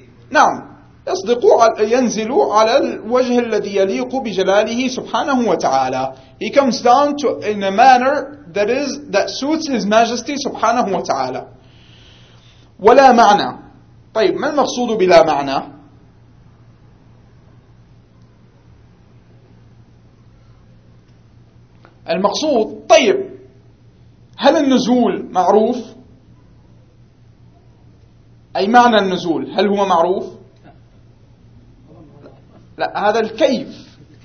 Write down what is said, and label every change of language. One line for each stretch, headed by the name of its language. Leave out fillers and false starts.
Arabic: نعم, يصدق ينزل على الوجه الذي يليق بجلاله سبحانه وتعالى.
English: He comes down to in a manner that is that suits His Majesty سبحانه وتعالى.
Arabic: ولا معنى. طيب ما المقصود بلا معنى؟ المقصود, طيب هل النزول معروف؟ أي معنى النزول هل هو معروف؟ لا, هذا الكيف.